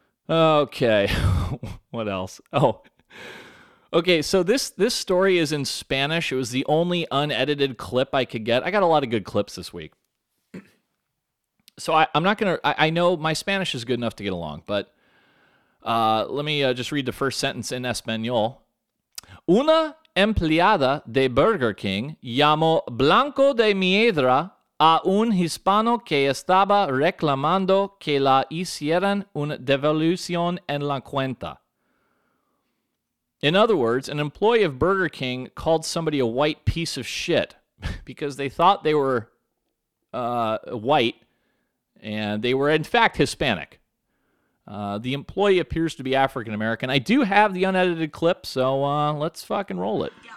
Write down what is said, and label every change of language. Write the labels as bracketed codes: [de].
[en] Okay, what else? Oh, okay, so this story is in Spanish. It was the only unedited clip I could get. I got a lot of good clips this week. So I know my Spanish is good enough to get along, but let me just read the first sentence in Espanol. [es] Una empleada de Burger King llamó Blanco de Miedra a un hispano que estaba reclamando que la hicieran una devolución en la cuenta. [en] In other words, an employee of Burger King called somebody a white piece of shit because they thought they were white and they were in fact Hispanic. The employee appears to be African American. I do have the unedited clip, so let's fucking roll it.